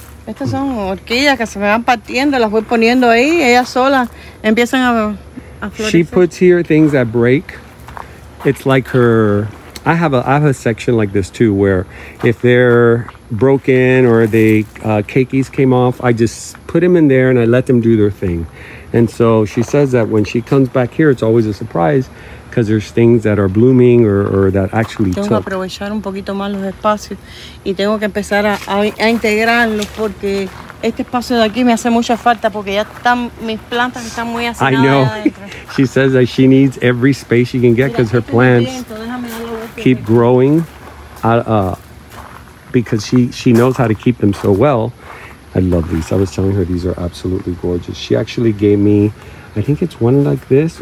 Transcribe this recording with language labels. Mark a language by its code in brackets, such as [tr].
[es] Estas son orquídeas que se me van partiendo. Las voy poniendo ahí. Ellas solas empiezan a florecer. [en] She puts here things that break. It's like her I have a section like this too, where if they're broken or the keikis came off, I just put them in there and I let them do their thing. And so she says that when she comes back here, it's always a surprise because there's things that are blooming or that actually [es] tengo [en] took. [es] Tengo que aprovechar un poquito más los espacios y tengo que empezar a integrarlos porque este espacio de aquí me hace mucha falta porque ya están mis plantas están muy hacinadas. [en] I know. She says that she needs every space she can get because her plants keep growing because she knows how to keep them so well. I love these. I was telling her these are absolutely gorgeous. She actually gave me, I think it's one like this.